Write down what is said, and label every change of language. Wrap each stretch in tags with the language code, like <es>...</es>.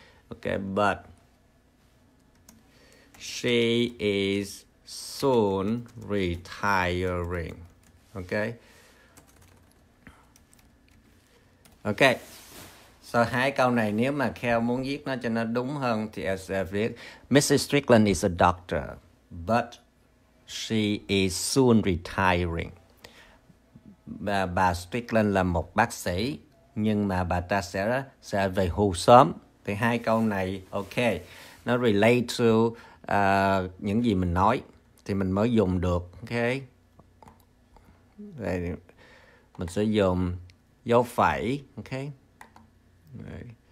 <en>Ok, but she is soon retiring. Ok.</en> <vi>Ok. So hai câu này nếu mà Kel muốn viết nó cho nó đúng hơn thì sẽ viết Mrs.</vi> <en>Strickland is a doctor, but she is soon retiring.</en> <vi>Bà Strickland là một bác sĩ, nhưng mà bà ta sẽ về hưu sớm. Thì hai câu này, ok, nó relate to những gì mình nói, thì mình mới dùng được, ok. Đây, mình sẽ dùng dấu phẩy, ok. Đấy.</vi>